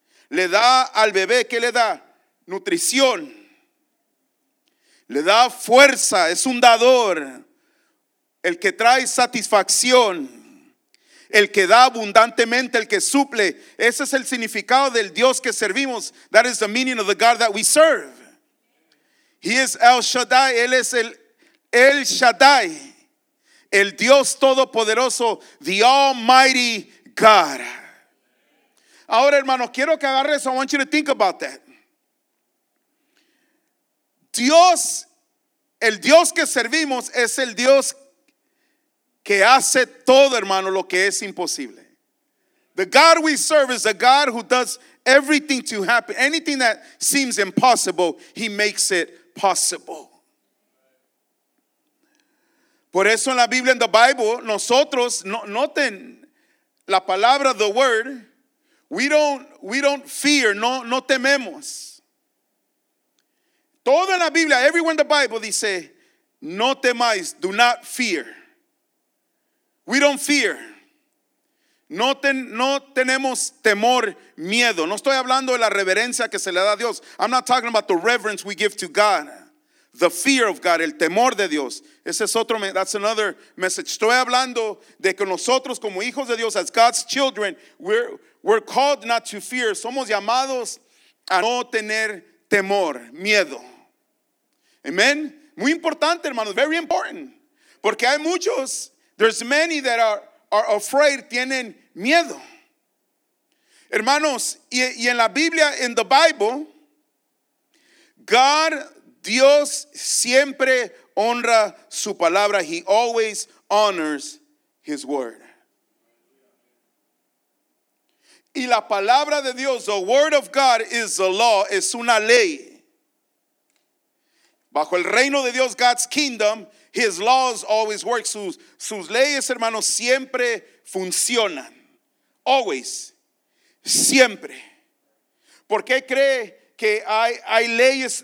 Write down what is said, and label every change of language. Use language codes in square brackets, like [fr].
[es] Le da al bebé, ¿qué le da? Nutrición. Le da fuerza, es un dador. El que trae satisfacción. El que da abundantemente, el que suple. Ese es el significado del Dios que servimos. [en] That is the meaning of the God that we serve. He is El Shaddai. [es] Él es El Shaddai. El Dios Todopoderoso. [en] The Almighty God. [es] Ahora, hermanos, quiero que agarres. [en] I want you to think about that. [es] Dios, el Dios que servimos es el Dios que hace todo, hermano, lo que es imposible. [en] The God we serve is the God who does everything to happen. Anything that seems impossible, he makes it possible. [es] Por eso en la Biblia, en [en] the Bible, [es] nosotros, noten la palabra, [en] the word, we don't fear, [es] no tememos. Todo en la Biblia, [en] everywhere in the Bible [es] dice, no temáis, [en] do not fear. We don't fear. [es] No tenemos temor, miedo. No estoy hablando de la reverencia que se le da a Dios. [en] I'm not talking about the reverence we give to God. The fear of God, [es] el temor de Dios. Ese es otro, [en] that's another message. [es] Estoy hablando de que nosotros como hijos de Dios, [en] as God's children, we're called not to fear. [es] Somos llamados a no tener temor, miedo. Amen. Muy importante, hermanos. [en] Very important. [es] Porque hay muchos, [en] there's many that are afraid, [es] tienen miedo. Hermanos, y en la Biblia, [en] in the Bible, God, [es] Dios siempre honra su palabra. [en] He always honors his word. [es] Y la palabra de Dios, [en] the word of God is the law, [es] es una ley. Bajo el reino de Dios, [en] God's kingdom, his laws always work. [es] Sus leyes, hermanos, siempre funcionan. Always. Siempre. ¿Por qué cree que hay leyes?